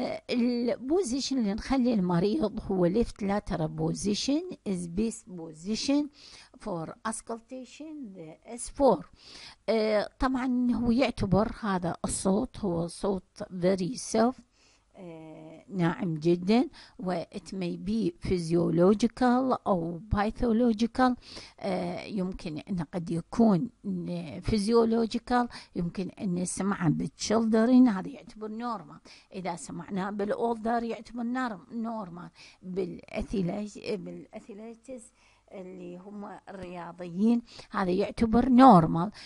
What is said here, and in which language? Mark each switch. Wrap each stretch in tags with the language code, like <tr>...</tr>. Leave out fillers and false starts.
<en>البوزيشن</en> <ar>اللي نخلي المريض هو</ar> <en>Left lateral position as best position for auscultation the S 4.</en> <ar>طبعا هو يعتبر هذا الصوت هو صوت</ar> <en>very soft</en> <ar>ناعم جدا، و</ar> <en>it may be physiological أو pathological.</en> <ar>يمكن أن قد يكون physiological، يمكن أن سمعنا بالchildren هذا يعتبر normal، إذا سمعنا بالolder يعتبر normal، بالathletes اللي هم الرياضيين هذا يعتبر نورمال.</ar>